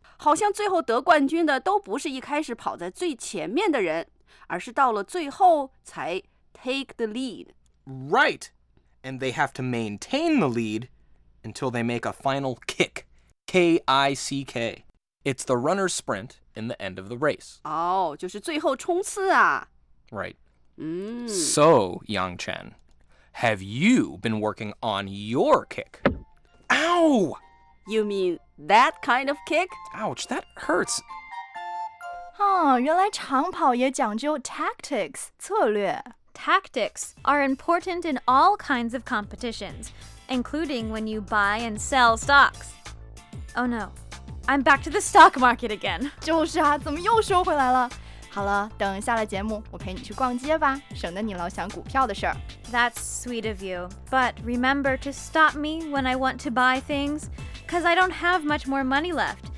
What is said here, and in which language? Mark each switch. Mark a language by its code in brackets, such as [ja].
[zh] 好像最后得冠军的都不是一开始跑在最前面的人，而是到了最后才 [en] take the lead. Right, and they have to maintain the lead until they make a final kick, K-I-C-K. It's the runner's sprint in the end of the race. [zh] 哦、oh, ，就是最后冲刺啊。 [en] Right.、 Mm. So, Yangchen, have you been working on your kick? Ow! You mean... That kind of kick? Ouch, that hurts. [zh] Oh, 原来长跑也讲究 tactics, 策略。 [en] Tactics are important in all kinds of competitions, including when you buy and sell stocks. Oh no, I'm back to the stock market again. [zh] 就是啊，怎么又收回来了？好了，等下了节目，我陪你去逛街吧，省得你老想股票的事儿。 [en] That's sweet of you, but remember to stop me when I want to buy things. because I don't have much more money left.